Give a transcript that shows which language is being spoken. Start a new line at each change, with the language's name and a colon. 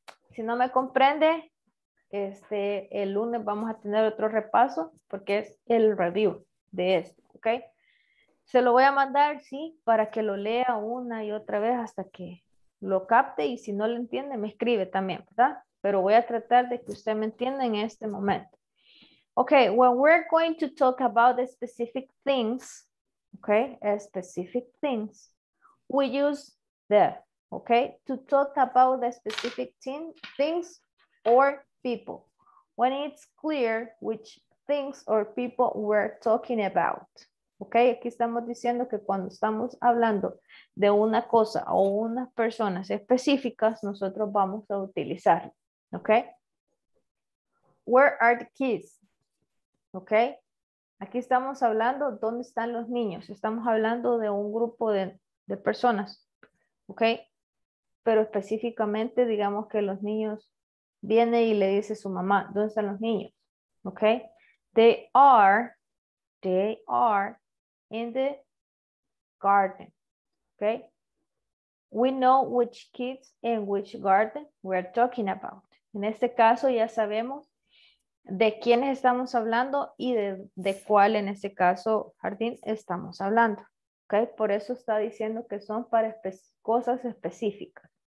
Spanish: Si no me comprende, el lunes vamos a tener otro repaso porque es el review de esto. Ok. Se lo voy a mandar, sí, para que lo lea una y otra vez hasta que lo capte y si no lo entiende, me escribe también, ¿verdad? Pero voy a tratar de que usted me entienda en este momento. Ok.
English: When we're going to talk about the specific things, ok, specific things, we use the. Okay, to talk about the specific things or people. When it's clear which things or people we're talking about.
Spanish: Okay, aquí estamos diciendo que cuando estamos hablando de una cosa o unas personas específicas, nosotros vamos a utilizar.
English: Okay, where are the kids?
Spanish: Okay, aquí estamos hablando dónde están los niños. Estamos hablando de un grupo de personas. Okay. Pero específicamente, digamos que los niños viene y le dice a su mamá, ¿dónde están los niños?
English: ¿Ok? They are in the garden. ¿Ok? We know which kids in which garden we're talking about.
Spanish: En este caso ya sabemos de quiénes estamos hablando y de cuál en este caso jardín estamos hablando. ¿Ok? Por eso está diciendo que son para cosas específicas.